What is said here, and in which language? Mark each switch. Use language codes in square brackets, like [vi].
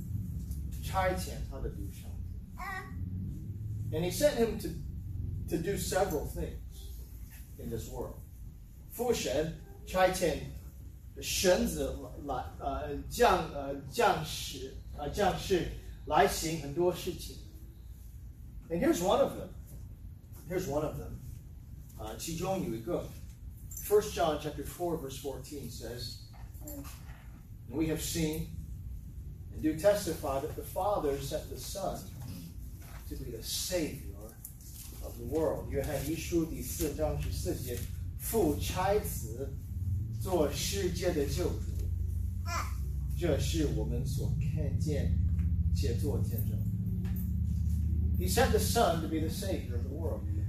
[zh] 父神用权柄差遣他的独生子。 [en] And he sent him to do several things in this world. [zh] 父神差遣神子来将士来行很多事情。 [en] And here's one of them. Here's one of them. [zh] 其中有一个, [en] 1 John chapter 4, verse 14 says, and we have seen and do testify that the Father sent the Son to be the Savior of the world. [zh] 约翰一书第四章十四节, 父差子做世界的救主, 这是我们所看见且做见证。 [en] He sent the Son to be the Savior of the world.